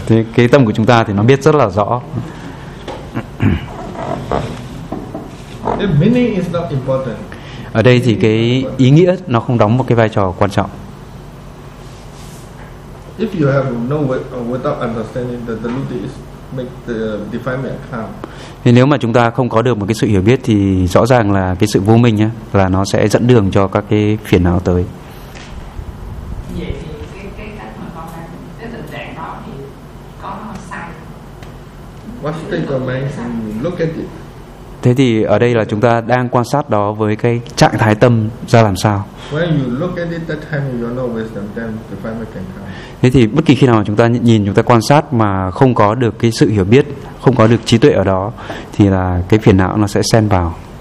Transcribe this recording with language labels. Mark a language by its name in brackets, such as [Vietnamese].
[Vietnamese] Thế cái tâm của chúng ta thì nó biết rất là rõ. [English] The meaning is not important. [Vietnamese] Ở đây thì cái ý nghĩa nó không đóng một cái vai trò quan trọng. [English] If you have no way without understanding the delusion is make the defilement come. [Vietnamese] Thì nếu mà chúng ta không có được một cái sự hiểu biết thì rõ ràng là cái sự vô minh nhá, là nó sẽ dẫn đường cho các cái phiền não tới. Vậy thì cái cách mà con đang cái tình trạng đó thì có nó sai. [English] What state of mind? Look at it. [Vietnamese] Thế thì ở đây là chúng ta đang quan sát đó với cái trạng thái tâm ra làm sao. [English] When you look at it that time you know wisdom, then the defilement can come. [Vietnamese] Thế thì bất kỳ khi nào chúng ta nhìn, chúng ta quan sát mà không có được cái sự hiểu biết, không có được trí tuệ ở đó, thì là cái phiền não nó sẽ xen vào.